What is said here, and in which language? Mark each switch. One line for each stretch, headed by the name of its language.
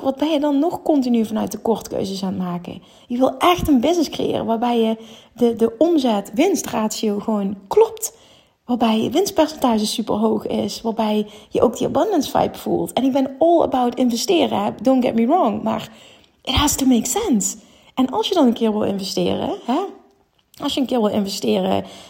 Dutch: Wat ben je dan nog continu vanuit de kortkeuzes aan het maken? Je wil echt een business creëren. Waarbij je de omzet-winstratio gewoon klopt. Waarbij je winstpercentage super hoog is. Waarbij je ook die abundance vibe voelt. En ik ben all about investeren.
English: Don't get me wrong.
Dutch: Maar
English: it has to make sense.
Dutch: En als je dan een keer wil investeren. Hè? Als je een keer wil investeren.